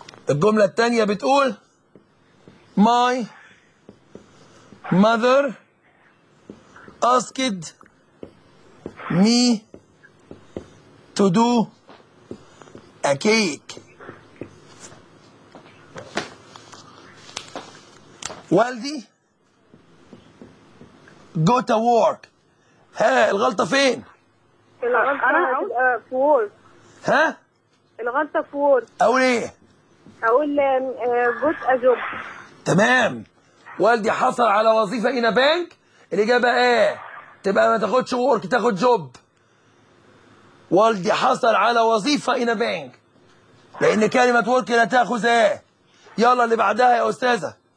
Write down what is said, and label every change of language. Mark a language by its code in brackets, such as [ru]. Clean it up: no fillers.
[ar] الجملة التانية بتقول [en] My mother asked me to do a cake. [ar] والدي [en] got a work. [ar] ها الغلطة فين؟ الغلطة أنا في work. ها؟ الغلطة في work. أقول إيه؟ أقول [en] got a job. [ar] تمام. والدي حصل على وظيفة هنا بنك. الإجابة إيه؟ تبقى ما تاخدش work تاخد job. والدي حصل على وظيفة هنا بنك. لأن كلمة work لا تاخذ إيه؟ يلا اللي بعدها يا أستاذة.